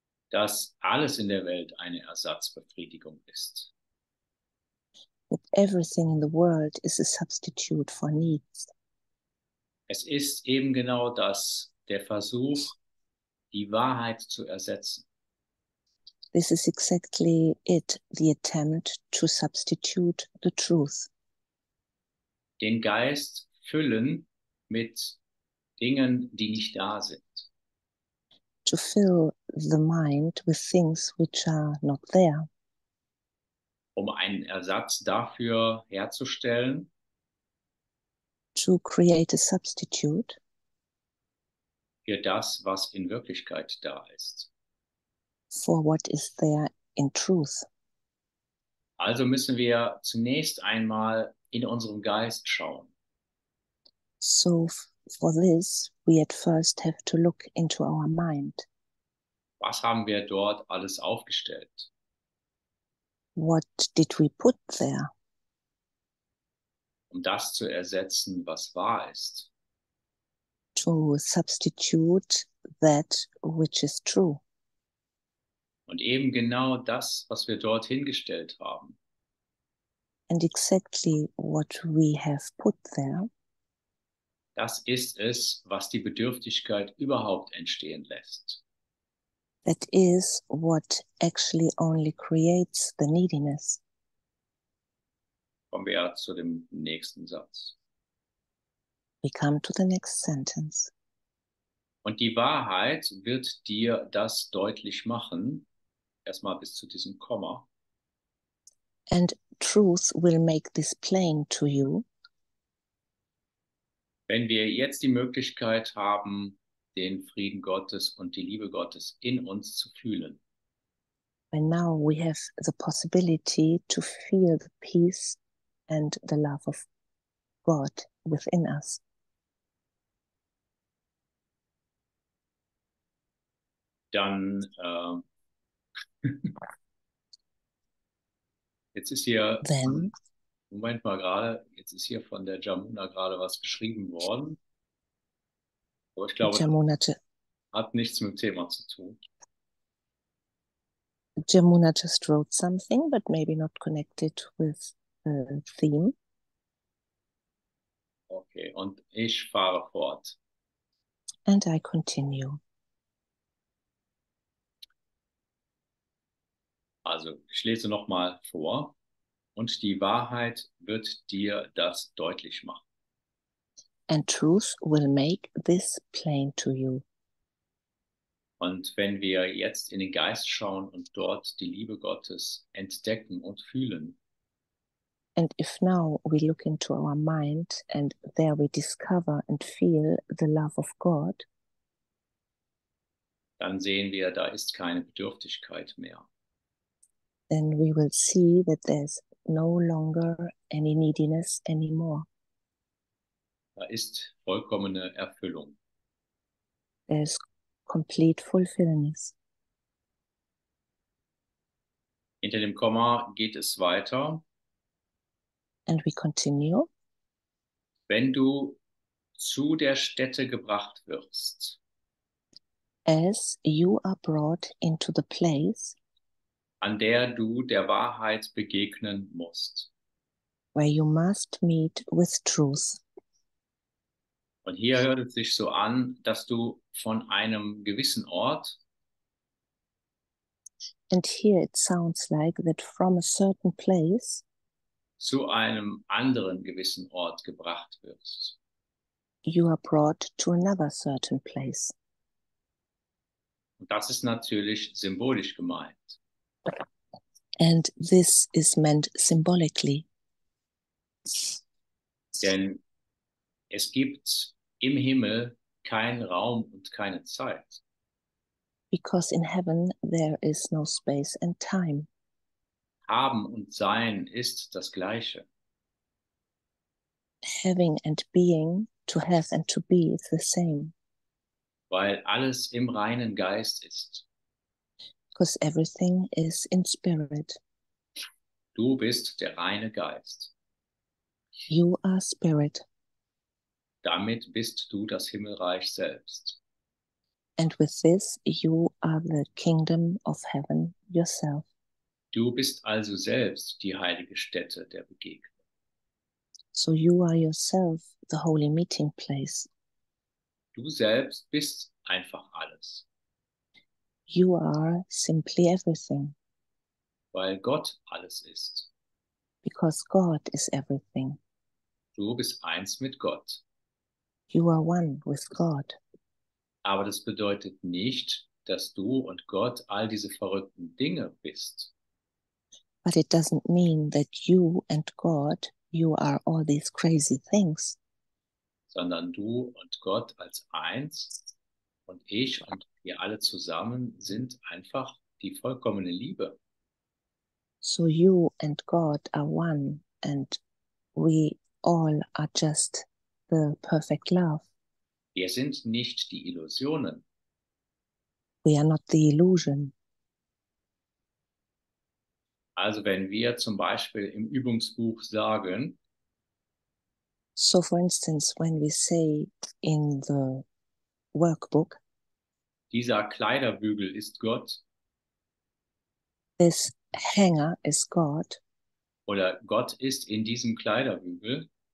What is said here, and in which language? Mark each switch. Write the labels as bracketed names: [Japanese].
[German] Dass alles in der Welt eine Ersatzbefriedigung ist. [English] That everything in the world is a substitute for needs. [German] Es ist eben genau das, der Versuch, die Wahrheit zu ersetzen. [English] This is exactly it, the attempt to substitute the truth. [German] Den Geist füllen mit Dingen, die nicht da sind. [English] To fill the mind with things which are not there. [German] Um einen Ersatz dafür herzustellen. [English] To create a substitute. [German] Für das, was in Wirklichkeit da ist. [English] For what is there in truth. [German] Also müssen wir zunächst einmal in unserem Geist schauen. [English] So for this, we at first have to look into our mind. [German] Was haben wir dort alles aufgestellt? [English] What did we put there? [German] Um das zu ersetzen, was wahr ist. [English] To substitute that which is true. [German] Und eben genau das, was wir dort hingestellt haben. [English] And exactly what we have put there. [German] Das ist es, was die Bedürftigkeit überhaupt entstehen lässt. [English] That is what actually only creates the neediness. [German] Kommen wir zu dem nächsten Satz. [English] We come to the next sentence. [German] Und die Wahrheit wird dir das deutlich machen, erstmal bis zu diesem Komma. [English] And truth will make this plain to you. [German] Wenn wir jetzt die Möglichkeit haben, den Frieden Gottes und die Liebe Gottes in uns zu fühlen. [English] And now we have the possibility to feel the peace and the love of God within us. done. [German] jetzt ist hier. [English] Then. [German] Moment mal gerade. Jetzt ist hier von der Jamuna gerade was geschrieben worden. Aber ich glaube, Jamuna hat nichts mit dem Thema zu tun. [English] Jamuna just wrote something, but maybe not connected with the theme. [German] Okay, und ich fahre fort. [English] And I continue. [German] Also, ich lese nochmal vor. Und die Wahrheit wird dir das deutlich machen. [English] And truth will make this plain to you. [German] Und wenn wir jetzt in den Geist schauen und dort die Liebe Gottes entdecken und fühlen. [English] And if now we look into our mind and there we discover and feel the love of God. [German] Dann sehen wir, da ist keine Bedürftigkeit mehr. [English] Then we will see that there's no longer any neediness anymore. [German] Da ist vollkommene Erfüllung. [English] There's complete fulfillment. [German] Hinter dem Komma geht es weiter. [English] And we continue. [German] Wenn du zu der Stätte gebracht wirst, [English] as you are brought into the place, [German] an der du der Wahrheit begegnen musst. [English] Where you must meet with truth. [German] Und hier hört es sich so an, dass du von einem gewissen Ort. [English] And here it sounds like that from a certain place. [German] Zu einem anderen gewissen Ort gebracht wirst. [English] You are brought to another certain place. [German] Und das ist natürlich symbolisch gemeint. [English] And this is meant symbolically. [German] Denn es gibt im Himmel keinen Raum und keine Zeit. [English] Because in heaven there is no space and time. [German] Haben und sein ist das Gleiche. [English] Having and being, to have and to be, is the same. [German] Weil alles im reinen Geist ist. [English] Because everything is in spirit. [German] Du bist der reine Geist. [English] You are spirit. [German] Damit bist du das Himmelreich selbst. [English] And with this, you are the kingdom of heaven yourself. [German] Du bist also selbst die heilige Stätte der Begegnung. [English] So you are yourself the holy meeting place. [German] Du selbst bist einfach alles. [English] You are simply everything. [German] Weil Gott alles ist. [English] Because God is everything. [German] Du bist eins mit Gott. [English] You are one with God. [German] Aber das bedeutet nicht, dass du und Gott all diese verrückten Dinge bist. [English] But it doesn't mean that you and God, you are all these crazy things. [German] Sondern du und Gott als eins. Und ich und wir alle zusammen sind einfach die vollkommene Liebe. [English] So you and God are one and we all are just the perfect love. [German] Wir sind nicht die Illusionen. [English] We are not the illusion. [German] Also wenn wir zum Beispiel im Übungsbuch sagen, [English] so for instance when we say in the workbook, [German] dieser Kleiderbügel ist Gott. [English] This hanger is God. [German] Oder Gott ist in diesem Kleiderbügel.